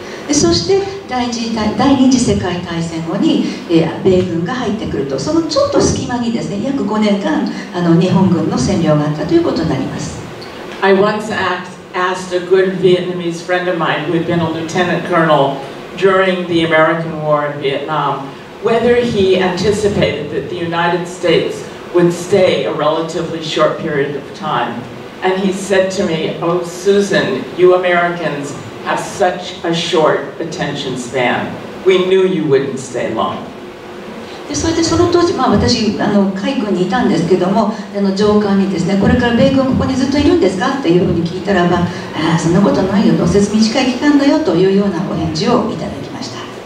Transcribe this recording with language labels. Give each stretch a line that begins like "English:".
Japanese: でそして第二次世界大戦後に、米軍が入ってくると、そのちょっと隙間にですね、約5年間日本軍の占領があったということになります。
English: I once asked a good Vietnamese friend of mine who had been a lieutenant colonel during the American War in Vietnam whether he anticipated that the United StatesWould stay a relatively short period of time. And he said to me, Oh, Susan, you Americans have such a short attention span. We knew you wouldn't stay long.
Japanese: でそれでその当時、まあ、私海軍にいたんですけども、上官にですね、これから米軍ここにずっといるんですかっていうふうに聞いたら、まあ、あそんなことないよ、どうせ短い期間だよというようなお返事をいただきました。